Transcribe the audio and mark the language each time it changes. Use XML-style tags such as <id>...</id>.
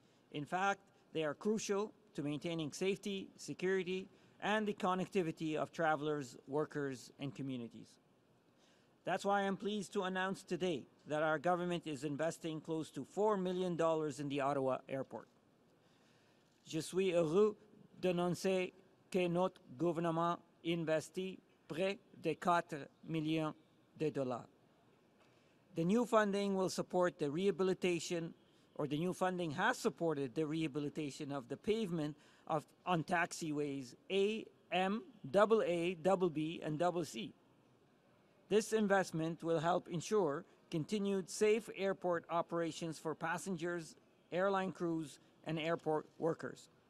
<en>In fact, they are crucial to maintaining safety, security, and the connectivity of travelers, workers, and communities. That's why I'm pleased to announce today that our government is investing close to $4 million in the Ottawa airport.</en> <fr>Je suis heureux d'annoncer que notre gouvernement investit près de 4 millions de dollars.</fr> <en>The new funding will support the rehabilitation, or the new funding has supported the rehabilitation of the pavement of on taxiways A, M, AA, BB, and CC. This investment will help ensure continued safe airport operations for passengers, airline crews, and airport workers.</en>